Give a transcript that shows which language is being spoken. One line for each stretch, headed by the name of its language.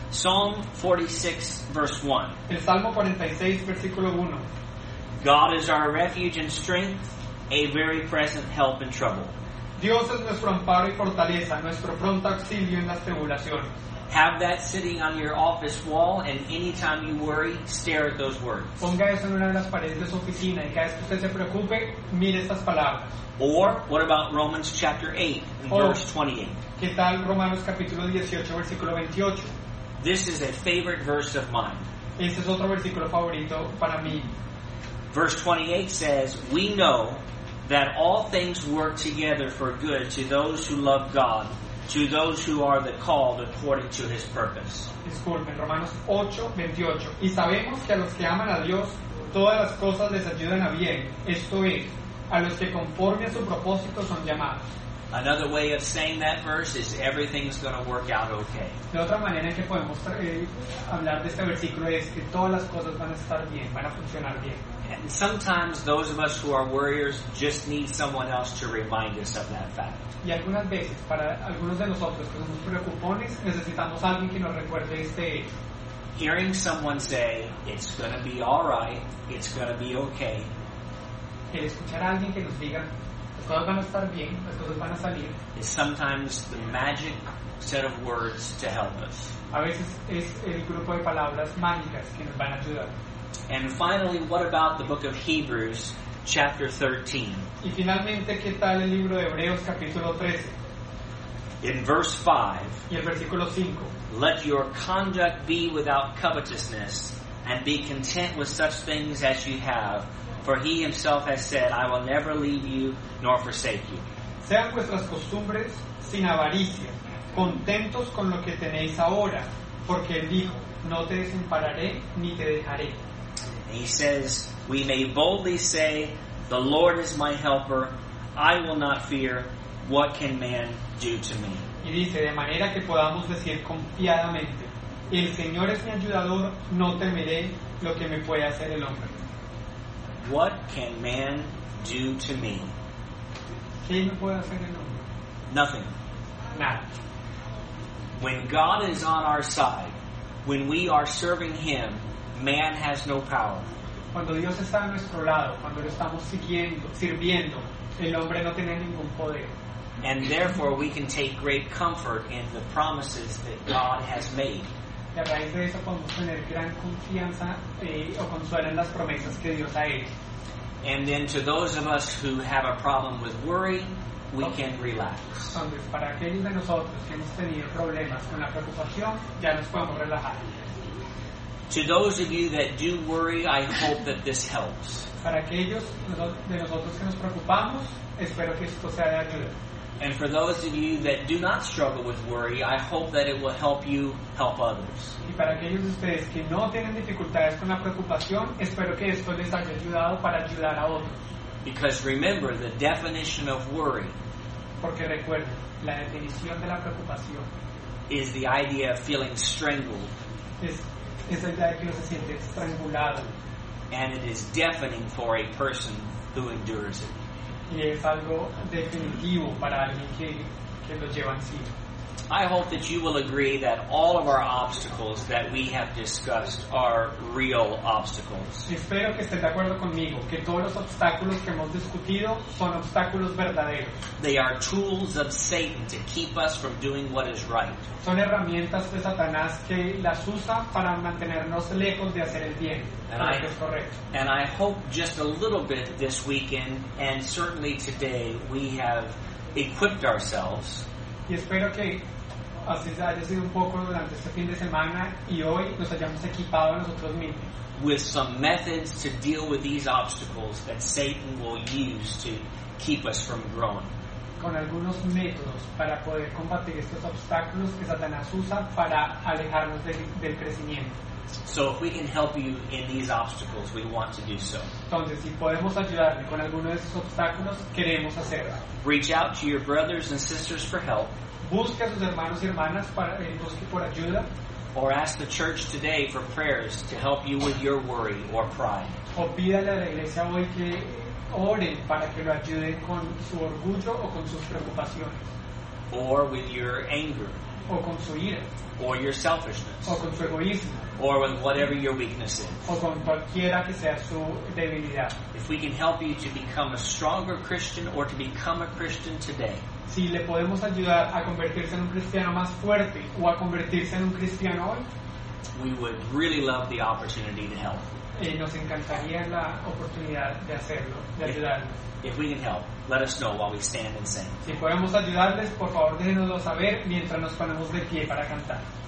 English: Psalm 46, verse 1.
Spanish: El Salmo 46, versículo 1.
English: God is our refuge and strength, a very present help in trouble.
Spanish: Dios es nuestro amparo y fortaleza, nuestro pronto auxilio en las tribulaciones.
English: Have that sitting on your office wall, and anytime you worry, stare at those words.
Spanish: Ponga eso en una de las paredes de su oficina, y cada vez que usted se preocupe, mire estas palabras.
English: Or, what about Romans chapter 8, verse 28?
Spanish: ¿Qué tal Romanos capítulo 18, versículo 28?
English: This is a favorite verse of mine.
Spanish: Este es otro versículo favorito para mí.
English: Verse 28 says, we know that all things work together for good to those who love God, to those who are the called according to his purpose.
Spanish: Disculpen, Romanos 8, 28. Y sabemos que a los que aman a Dios, todas las cosas les ayudan a bien. Esto es, a los que conforme a su propósito son llamados.
English: Another way of saying that verse is everything's going to work out okay.
Spanish: De otra manera que podemos hablar de este versículo es que todas las cosas van a estar bien, van a funcionar bien.
English: And sometimes those of us who are warriors just need someone else to remind us of that fact.
Spanish: Y algunas veces para algunos de nosotros que somos preocupones necesitamos a alguien que nos recuerde este hecho.
English: Hearing someone say it's going to be all right, it's going to be okay.
Spanish: El escuchar a alguien que nos diga las cosas van a estar bien, las cosas van a salir.
English: Is sometimes the magic set of words to help us.
Spanish: A veces es el grupo de palabras mágicas que nos van a ayudar.
English: And finally, what about the book of Hebrews, chapter 13?
Spanish: Y finalmente, ¿qué tal el libro de Hebreos, capítulo 13?
English: In verse 5,
Spanish: y el versículo 5,
English: let your conduct be without covetousness, and be content with such things as you have, for he himself has said, I will never leave you nor forsake you.
Spanish: Sean vuestras costumbres sin avaricia, contentos con lo que tenéis ahora, porque él dijo, no te desampararé ni te dejaré.
English: And he says, we may boldly say, the Lord is my helper, I will not fear, what can man do to me?
Spanish: Y dice, de manera que podamos decir confiadamente, el Señor es mi ayudador, no temeré lo que me puede hacer el hombre.
English: What can man do to me?
Spanish: ¿Qué me puede hacer el hombre?
English: Nothing.
Spanish: Nada.
English: When God is on our side, when we are serving Him, man has no power.
Spanish: Cuando Dios está a nuestro lado, cuando lo estamos siguiendo, sirviendo, el hombre no tiene ningún poder.
English: And therefore we can take great comfort in the promises that God has made.
Spanish: Y a raíz de eso podemos tener gran confianza o consuelo en las promesas que Dios ha hecho.
English: And then to those of us who have a problem with worry, we can relax.
Spanish: Entonces, para aquellos de nosotros que hemos tenido problemas con la preocupación, ya nos podemos relajar.
English: To those of you that do worry, I hope that this helps.
Spanish: Para aquellos de nosotros que nos preocupamos, espero que esto sea de ayuda.
English: And for those of you that do not struggle with worry, I hope that it will help you help others.
Spanish: Y para aquellos de ustedes que no tienen dificultades con la preocupación, espero que esto les haya ayudado para ayudar a otros.
English: Because remember, the definition of worry,
Spanish: porque recuerden, la definición de la preocupación,
English: is the idea of feeling strangled.
Spanish: Es la idea de que uno se siente estrangulado.
English: And it is deafening for a person who endures it.
Spanish: Y es algo definitivo para alguien que lo lleva encima.
English: I hope that you will agree that all of our obstacles that we have discussed are real obstacles.
Spanish: Espero que estén de acuerdo conmigo, que todos los obstáculos que hemos discutido son obstáculos verdaderos.
English: They are tools of Satan to keep us from doing what is right.
Spanish: Son herramientas de Satanás que las usa para mantenernos lejos de hacer el bien, lo que es correcto.
English: And I hope just a little bit this weekend, and certainly today, we have equipped ourselves.
Spanish: Y espero que así haya sido un poco durante este fin de semana y hoy nos hayamos equipado nosotros mismos.
English: With some methods to deal with these obstacles that Satan will use to keep us from growing.
Spanish: Con algunos métodos para poder combatir estos obstáculos que Satanás usa para alejarnos del crecimiento.
English: So if we can help you in these obstacles, we want to do so.
Spanish: Entonces, si podemos ayudarle con alguno de esos obstáculos, queremos hacerlo.
English: Reach out to your brothers and sisters for help.
Spanish: Busque a sus hermanos y hermanas para busque por ayuda.
English: Or ask the church today for prayers to help you with your worry or pride.
Spanish: O pídale a la iglesia hoy que oren para que lo ayuden con su orgullo o con sus preocupaciones.
English: Or with your anger.
Spanish: O con su ira.
English: Or your selfishness.
Spanish: O con su egoísmo.
English: Or with whatever your weakness is.
Spanish: O con cualquiera que sea su debilidad.
English: If we can help you to become a stronger Christian or to become a Christian today.
Spanish: Si le podemos ayudar a convertirse en un cristiano más fuerte o a convertirse en un cristiano hoy.
English: We would really love the opportunity to help.
Spanish: Nos encantaría la oportunidad de hacerlo, de ayudarlo.
English: If we can help, let us know while we stand and sing.
Spanish: Si podemos ayudarles, por favor déjenoslo saber mientras nos ponemos de pie para cantar.